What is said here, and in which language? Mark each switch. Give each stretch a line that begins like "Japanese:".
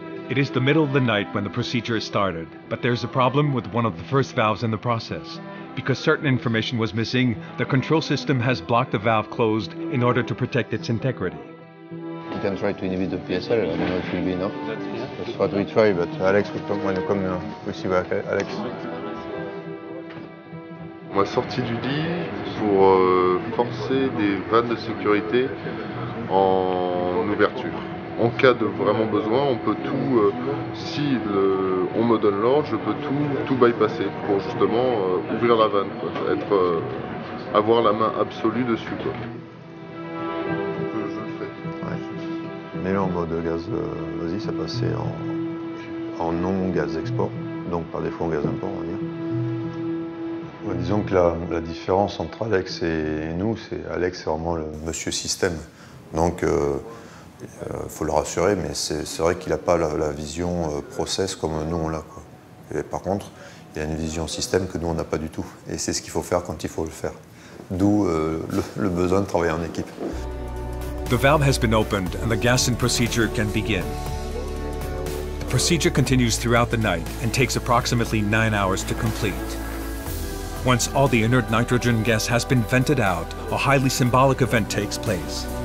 English: It is the middle of the night when the procedure is started, but there's a problem with one of the first valves in the process. Because certain information was missing, the control system has blocked the valve closed in order to protect its integrity. We can try to inhibit the PSL, I don't know if it will be enough. That's what we try, but Alex will come when you come, we'll see back, Alex.
French: Moi, sorti du lit pour forcer des vannes de sécurité en ouverture. En cas de vraiment besoin, on peut tout, on me donne l'ordre, je peux tout bypasser pour justement ouvrir la vanne, quoi. Avoir la main absolue dessus, quoi. Je le fais. Ouais. Mais là, en mode gaz, vas-y, ça passait en non-gaz export, donc par défaut en gaz import, on va dire. Ouais, disons que la différence entre Alex et nous, c'est Alex est vraiment le monsieur système. Donc, faut le rassurer, mais c'est vrai qu'il n'a pas la vision process comme nous on l'a, quoi. Et par contre, il a une vision système que nous on n'a pas du tout. Et c'est ce qu'il faut faire quand il faut le faire. D'où le besoin de travailler en équipe.
English: The valve has been opened and the gassing procedure can begin. The procedure continues throughout the night and takes approximately 9 hours to complete. Once all the inert nitrogen gas has been vented out, a highly symbolic event takes place.